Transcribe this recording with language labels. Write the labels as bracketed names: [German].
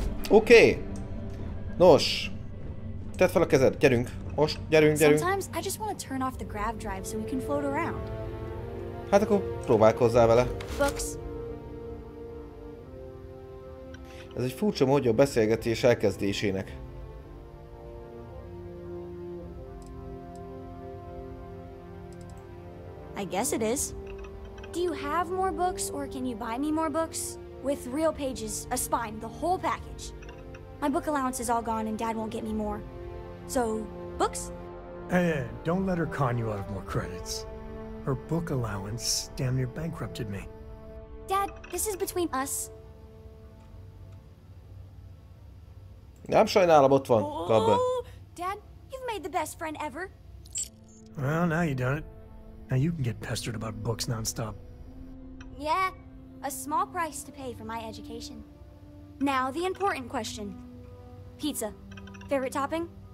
[Hungarian] Oké! Okay. Nos! Tedd fel a kezed, gyerünk! Most, gyerünk, gyerünk! [English] Sometimes I just want to turn off the grav drive so we can float around. [Hungarian] Hát akkor próbálkozzál vele! Books. Ez egy furcsa módja a beszélgetés elkezdésének. [English] I guess it is. Do you have more books or can you buy me more books? With real pages, a spine, the whole package. My book allowance is all gone and dad won't get me more. So, books? Hey, don't let her con you out of more credits. Her book allowance damn near bankrupted me. Dad, this is between us. [Hungarian] Nem sajnálom, ott van, Kabbe. [English] Dad, you've made the best friend ever. Well, now you've done it. Now you can get pestered about books nonstop. Yeah, a small price to pay for my education. Now, the important question. Pizza. Favorite topping?